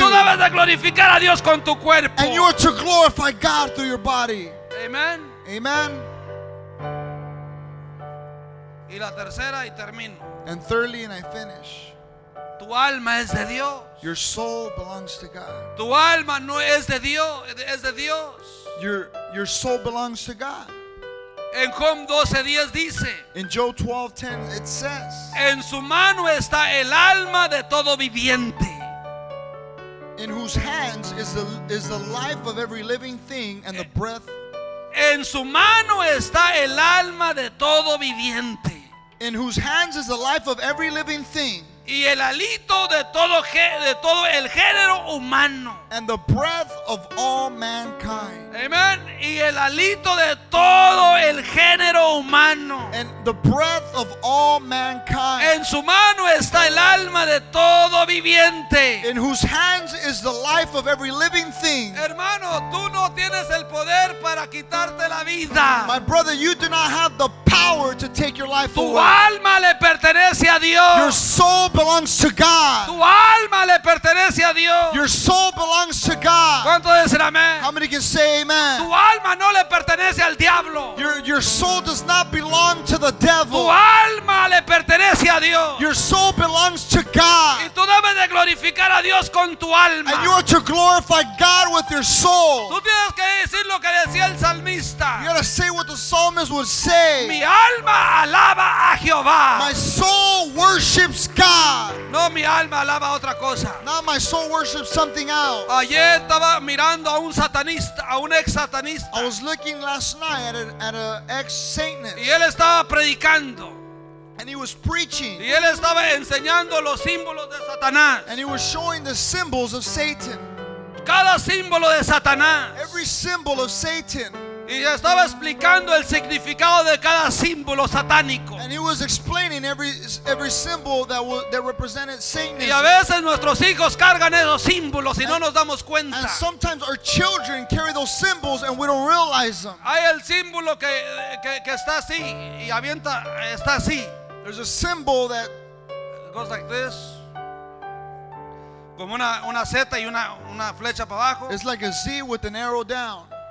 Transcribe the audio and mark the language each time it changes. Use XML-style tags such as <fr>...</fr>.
<es>Y tú debes de glorificar a Dios con tu cuerpo.</es> <en>And you are to glorify God through your body. Amen. Amen.</en> <es>Y la tercera y termino.</es> <en>And thirdly, and I finish.</en> <es>Tu alma es de Dios.</es> <en>Your soul belongs to God.</en> <es>Tu alma no es de Dios, es de Dios.</es> <en>Your soul belongs to God.</en> <es>En Job 12:10 dice.</es> <en>In Job 12:10 it says.</en> <es>En su mano está el alma de todo viviente.</es> <en>In whose hands is the life of every living thing and the breath.</en> <es>En su mano está el alma de todo viviente.</es> <en>In whose hands is the life of every living thing.</en> <es>Y el hálito de todo el género humano.</es> <en>And the breath of all mankind. Amen.</en> <es>Y el hálito de todo el género humano.</es> <en>And the breath of all mankind.</en> <es>En su mano está el alma de todo viviente.</es> <en>In whose hands is the life of every living thing.</en> <es>Hermano, tú no tienes el poder para quitarte la vida.</es> <en>My brother, you do not have the power to take your life</en> <es>tu</es> <en>away.</en> <es>Tu alma le pertenece a Dios.</es> <en>Your soul belongs to God.</en> <es>Tu alma le pertenece a Dios.</es> <en>Your soul belongs to God.</en> <es>¿Cuántos dicen amén?</es> <en>How many can say amen?</en> <es>Tu alma no le pertenece al diablo.</es> <en>Your soul does not belong to the devil.</en> <es>Tu alma le pertenece a Dios.</es> <en>Your soul belongs to God.</en> <es>Y tú debes de glorificar a Dios con tu alma.</es> <en>And you are to glorify God with your soul.</en> <es>Tú tienes que decir lo que decía el salmista.</es> <en>You gotta say what the psalmist would say.</en> <es>Mi alma alaba a Jehová.</es> <en>My soul worships God.</en> <es>No, mi alma alaba otra cosa.</es> <en>Not my soul worships something else.</en> <es>Ayer estaba mirando a un satanista, a un ex satanista.</es> <en>I was looking last night at an ex satanist.</en> <es>Y él estaba predicando.</es> <en>And he was preaching.</en> <es>Y él estaba enseñando los símbolos de Satanás.</es> <en>And he was showing the symbols of Satan.</en> <es>Cada símbolo de Satanás.</es> <en>Every symbol of Satan.</en> <es>Y estaba explicando el significado de cada símbolo satánico.</es> <en>And he was explaining every symbol that represented Satanism.</en> <es>Y a veces nuestros hijos cargan esos símbolos y no nos damos cuenta.</es> <en>And sometimes our children carry those symbols and we don't realize them.</en> <es>Hay el símbolo que está así y avienta, está así.</es> <en>There's a symbol that goes like this.</en> <es>Como una Z y una flecha para abajo.</es> <en>It's like a Z with an arrow down.</en>